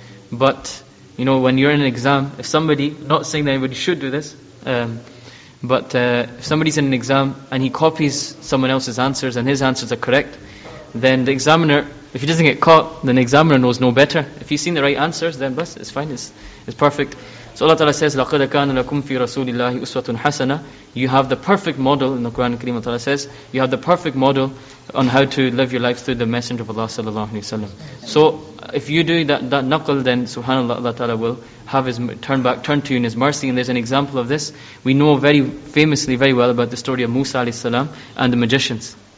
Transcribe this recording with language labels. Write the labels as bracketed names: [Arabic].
[English] But, you know, when you're in an exam, if somebody, not saying that anybody should do this, if somebody's in an exam and he copies someone else's answers and his answers are correct, then the examiner, if he doesn't get caught, then the examiner knows no better. If he's seen the right answers, then bless, it's fine, it's perfect. So Allah Ta'ala says, [Arabic] لَقَدْ كَانَ لَكُمْ فِي رَسُولِ اللَّهِ أُسْوَةٌ حَسَنَةٌ. [English] You have the perfect model, in the Quran Kareem Allah Ta'ala says, you have the perfect model on how to live your life through the Messenger of Allah Sallallahu Alaihi Wasallam. So if you do that naql, then subhanAllah, Allah Ta'ala will have his turn to you in his mercy. And there's an example of this. We know very famously, very well, about the story of Musa Alayhi Salaam and the magicians.